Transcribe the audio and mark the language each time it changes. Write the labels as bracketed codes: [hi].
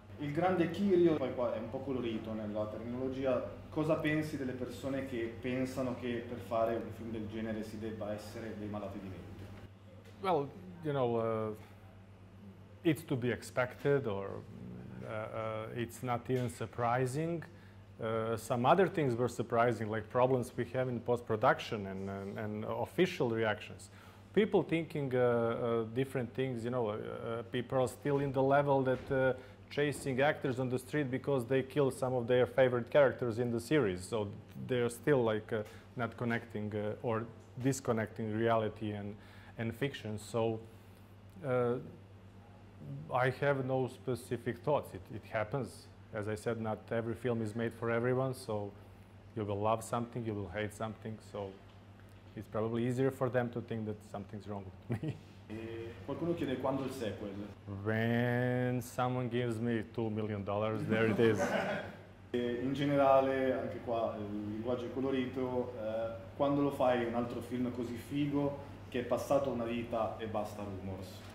[it] Il grande Kirio, poi qua è un po' colorito nella terminologia, cosa pensi delle persone che pensano che per fare un film del genere si debba essere dei malati di mente? [en] Well, you know, it's to be expected, or it's not even surprising. Some other things were surprising, like problems we have in post-production and official reactions. People thinking different things, you know, people are still in the level that chasing actors on the street because they kill some of their favorite characters in the series. So they're still like not connecting or disconnecting reality and fiction. So I have no specific thoughts. It happens. As I said, not every film is made for everyone. So you will love something, you will hate something. So it's probably easier for them to think that something's wrong with me. [it] Qualcuno chiede quando il sequel. [en] When someone gives me $2 million, there it is. [it] In generale, anche qua il linguaggio è colorito, quando lo fai un altro film così figo che è passato una vita e basta rumors?